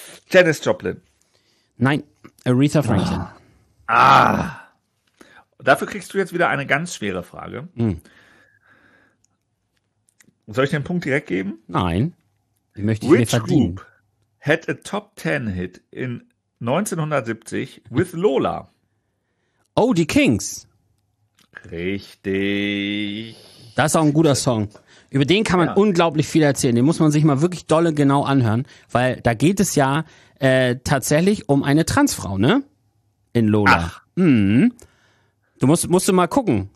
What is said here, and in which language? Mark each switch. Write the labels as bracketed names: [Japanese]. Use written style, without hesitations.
[German] Janis Joplin. Nein, Aretha Franklin. Ah. Dafür kriegst du jetzt wieder eine ganz schwere Frage. Hm. Soll ich dir einen Punkt direkt geben? Nein. Ich möchte ihn mir verdienen. [English] Which group had a top 10 hit in 1970 with Lola. [German] Oh, die Kings. Richtig. Das ist auch ein guter Song. Über den kann man ja unglaublich viel erzählen. Den muss man sich mal wirklich dolle genau anhören, weil da geht es ja tatsächlich um eine Transfrau, ne? In Lola. Ach. Mhm. Du musst du mal gucken.